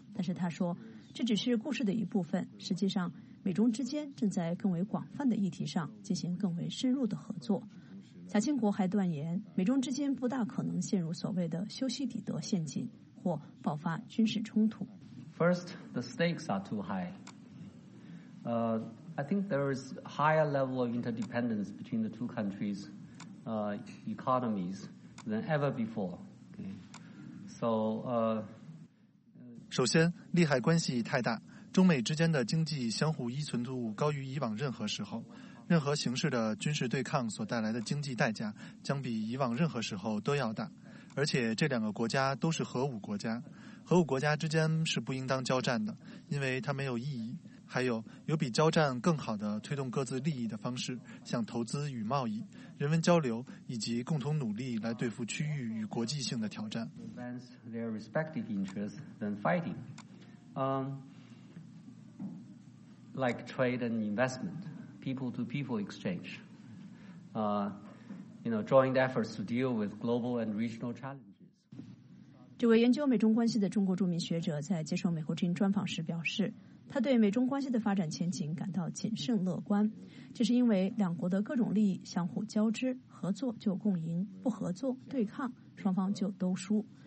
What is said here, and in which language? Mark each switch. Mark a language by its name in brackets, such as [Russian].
[Chinese] 但是他说，这只是故事的一部分，实际上美中之间正在更为广泛的议题上进行更为深入的合作。贾庆国还断言，美中之间不大可能陷入所谓的修昔底德陷阱或爆发军事冲突。 [English] First, the stakes are too high. I think there is higher level of interdependence between the two countries, economies. than ever before. So, [Chinese] 首先，利害关系太大，中美之间的经济相互依存度高于以往任何时候，任何形式的军事对抗所带来的经济代价将比以往任何时候都要大，而且这两个国家都是核武国家，核武国家之间是不应当交战的，因为它没有意义。还有，有比交战更好的推动各自利益的方式，像投资与贸易、人文交流以及共同努力来对付区域与国际性的挑战。 [English] Advance their respective interests than fighting, like trade and investment, people to people exchange, joint efforts to deal with global and regional challenges. [Chinese] 这位研究美中关系的中国著名学者在接受美国之音专访时表示，他对美中关系的发展前景感到谨慎乐观，这是因为两国的各种利益相互交织，合作就共赢，不合作对抗，双方就都输。